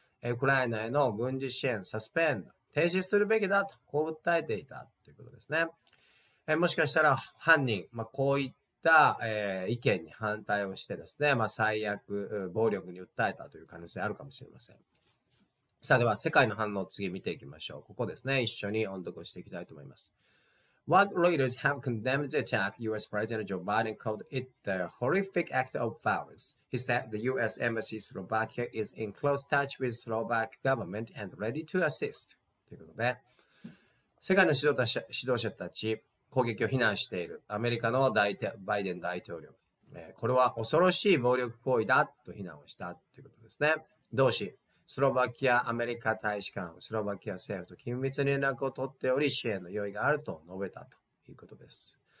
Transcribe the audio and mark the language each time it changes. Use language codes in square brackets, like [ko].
[ja] ウクライナへの軍事支援 suspend 停止するべきだとこう訴えていたということですね。もしかしたら犯人、まあ、こういった、意見に反対をしてですね、まあ、最悪暴力に訴えたという可能性あるかもしれません。さあでは世界の反応を次見ていきましょう。ここですね、一緒に音読をしていきたいと思います。 [en] What leaders have condemned the attack, U.S. President Joe Biden called it the horrific act of violence. He said the U.S. Embassy Slovakia is in close touch with Slovak government and ready to assist. [ja] ということで、世界の指導者たち、攻撃を非難しているアメリカのバイデン大統領、これは恐ろしい暴力行為だと非難をしたということですね。同志、スロバキアアメリカ大使館、スロバキア政府と緊密に連絡を取っており、支援の用意があると述べたということです。